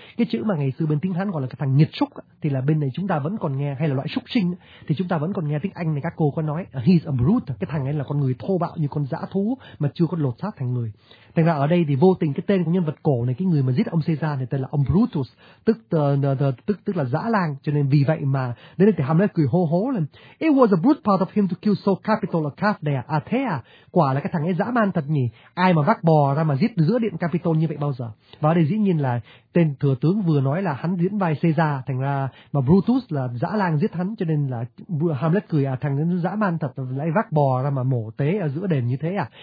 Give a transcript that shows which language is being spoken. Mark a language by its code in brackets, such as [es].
[vi] Cái chữ mà ngày xưa bên tiếng Hán gọi là cái thằng nghiệt súc thì là bên này chúng ta vẫn còn nghe, hay là loại súc sinh thì chúng ta vẫn còn nghe tiếng Anh này các cô có nói [en] he's a brute, [vi] cái thằng ấy là con người thô bạo như con dã thú mà chưa có lột xác thành người. Thành ra ở đây thì vô tình cái tên của nhân vật cổ này, cái người mà giết ông Caesar này tên là ông Brutus, tức là dã lang. Cho nên vì vậy mà đến đây thì Hamlet cười hô hố lên. [en] It was a brute part of him to kill so capital a calf there. [vi] À thế à, quả là cái thằng ấy dã man thật nhỉ, ai mà vác bò ra mà giết giữa điện Capitol như vậy bao giờ. Và ở đây dĩ nhiên là tên thừa tướng vừa nói là hắn diễn vai Caesar, thành ra mà Brutus là dã lang giết hắn, cho nên là Hamlet cười, à thằng ấy dã man thật, lại vác bò ra mà mổ tế ở giữa đền như thế à.